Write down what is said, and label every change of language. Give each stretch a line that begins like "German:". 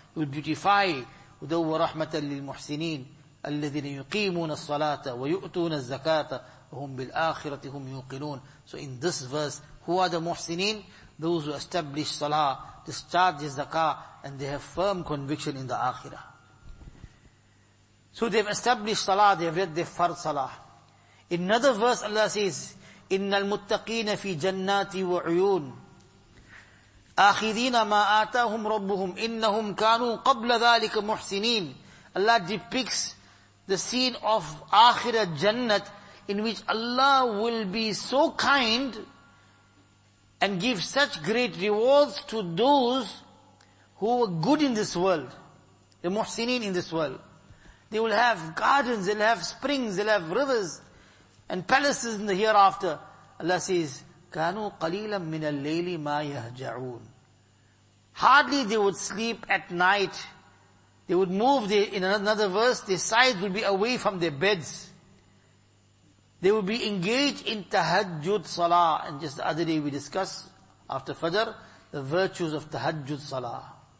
English: He will beautify.
Arabic: وَدَوَّ رَحْمَةً لِلْمُحْسِنِينَ الَّذِينَ يُقِيمُونَ الصَّلَاةَ وَيُؤْتُونَ الزَّكَاةَ وَهُمْ بِالْآخِرَةِ هُمْ يُوقِنُونَ.
English: So in this verse, who are the muhsineen? Those who establish salah, discharge zakah, and they have firm conviction in the akhirah. So they've established salah, they've read their fard salah. In another verse Allah says,
Arabic: إِنَّ الْمُتَّقِينَ فِي جَنَّاتِ وَعُيُونَ آخِذِينَ مَا آتَاهُمْ رَبُّهُمْ إِنَّهُمْ كَانُوا قَبْلَ ذَلِكَ مُحْسِنِينَ.
English: Allah depicts the scene of akhirah jannat, in which Allah will be so kind and give such great rewards to those who were good in this world, the muhsineen in this world. They will have gardens, they'll have springs, they'll have rivers and palaces in the hereafter. Allah says,
Arabic: كَانُوا قَلِيلًا مِنَ اللَّيْلِ مَا يَهْجَعُونَ.
English: Hardly they would sleep at night. They would move, in another verse, their sides would be away from their beds. They will be engaged in tahajjud salah. And just the other day we discussed, after Fajr, the virtues of tahajjud salah.